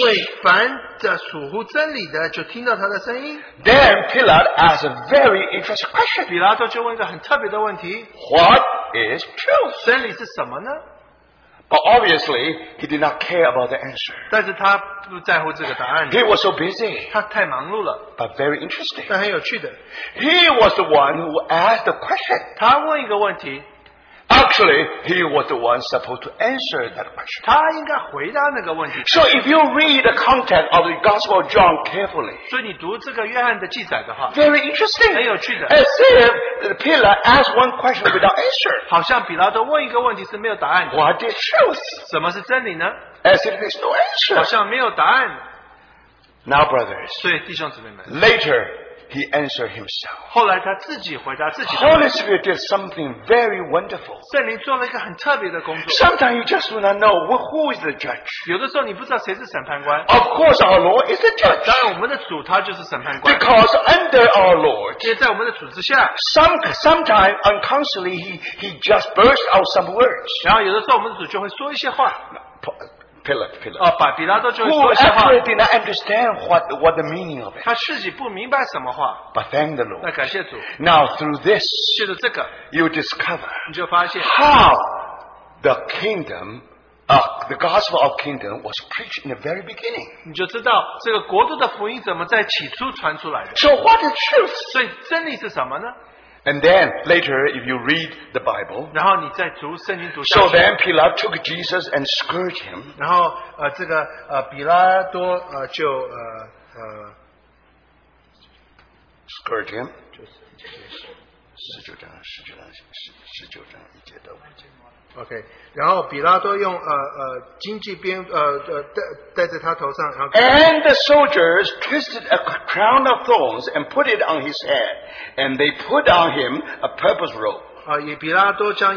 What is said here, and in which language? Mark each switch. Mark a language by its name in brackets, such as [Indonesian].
[Chinese] 因为凡属乎真理的就听到他的声音。 [English] Then Pilate asked a very interesting question. [Chinese] 比拉多就问一个很特别的问题。 [English] What is truth. [Chinese] 真理是什么呢? [English] But obviously, he did not care about the answer. He was so busy. But very interesting. He was the one who asked the question. [Chinese] 他问一个问题, [English] actually, he was the one supposed to answer that question. [Chinese] 他应该回答那个问题, [English] so if you read the content of the Gospel of John carefully, [Chinese] 所以你读这个约翰的记载的话, [English] very interesting. [Chinese] 很有趣的, [English] as if Pilate asked one question without answer. [Chinese] 好像比拉多问一个问题是没有答案的, [English] what is truth? [Chinese] 什么是真理呢? [English] As if there's no answer. [Chinese] 好像没有答案, [English] now, brothers, [Chinese] 所以弟兄姊妹们, [English] later, he answered himself. [Chinese] 后来他自己回答自己的问题, [English] Holy Spirit did something very wonderful. [Chinese] 圣灵做了一个很特别的工作, [English] sometimes you just do not know who is the judge. [Chinese] 有的时候你不知道谁是审判官, [English] of course our Lord is the judge. [Chinese] 当然我们的主他就是审判官, [English] because under our Lord, [Chinese] 因为在我们的主之下, [English] sometimes unconsciously he just burst out some words. [Chinese] 然后有的时候我们的主就会说一些话, [English] Pilate, who actually did not understand what the meaning of it. But thank the Lord. [Chinese] 那感谢主, [English] now through this, [Chinese] 是的这个, [English] you discover [Chinese] 你就发现, [English] how the kingdom, the gospel of kingdom was preached in the very beginning. [Chinese] 你就知道这个国度的福音怎么在起初传出来的。 [English] So what is truth? [Chinese] 所以真理是什么呢? [English] And then, later, if you read the Bible, [Chinese] 然后你再读圣经读下去, [English] so then Pilate took Jesus and scourged him. [Chinese] 然后比拉多用荆棘鞭戴在他头上，然后 [English] and the soldiers twisted a crown of thorns and put it on his head, and they put on him a purple robe.